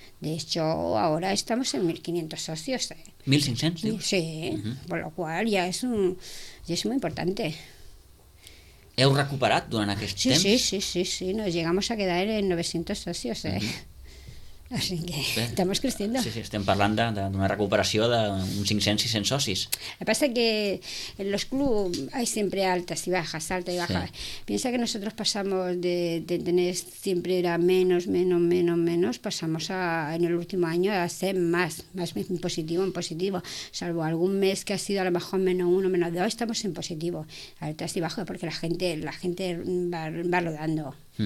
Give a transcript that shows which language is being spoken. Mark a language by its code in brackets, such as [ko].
[es] De hecho, ahora estamos en 1.500 socios. ¿Eh? ¿1.500? Sí, por lo cual ya es muy importante. [ca] ¿Heu recuperat durant aquest temps? [es] Sí, nos llegamos a quedar en 900 socios. ¿Eh? Uh-huh. Así que estamos creciendo. [ca] Sí, estem parlant d'una recuperació d'uns 500-600 socis. [es] Lo que pasa es que en los clubs hay siempre altas y bajas, altas y bajas. Sí. Piensa que nosotros pasamos de tener siempre era menos, pasamos a en el último año a ser más en positivo, salvo algún mes que ha sido a lo mejor -1, -2, estamos en positivo, altas y bajas, porque la gente va rodando.